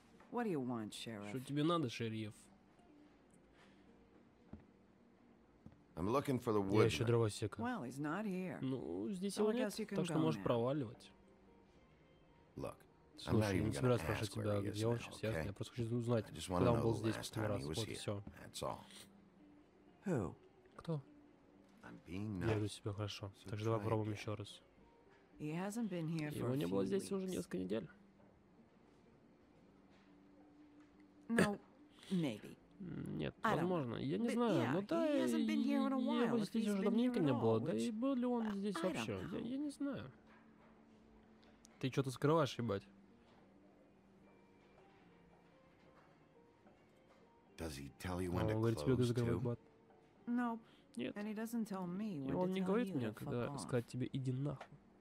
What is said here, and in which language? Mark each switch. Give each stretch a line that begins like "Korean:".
English: What do you want, Sheriff?
Russian: Что тебе надо, шериф?
English: I'm looking for the woodman.
Russian: Я ищу дровосека.
English: Well, he's not here.
Russian: Ну, здесь его нет, так что можешь проваливать.
English: Look,
Russian: слушай, я не собираюсь спрашивать тебя, где он сейчас, ясно? Я просто хочу узнать, когда он был здесь в последний раз. Вот и все.
English: Who?
Russian: Кто? Я веду себя хорошо, так что давай попробуем еще раз.
English: He hasn't been here for a few weeks.
Russian: Его не было здесь уже несколько недель.
English: No, maybe.
Russian: Нет, возможно. Я не знаю.
English: Yeah,
Russian: ну да, его здесь уже давненько не было. Да и был ли он здесь вообще? Я не знаю. Ты что-то скрываешь, ебать.
English: Does he tell you when to close too? Nope.
Russian: Нет. И он не говорит мне, когда сказать тебе иди нахуй.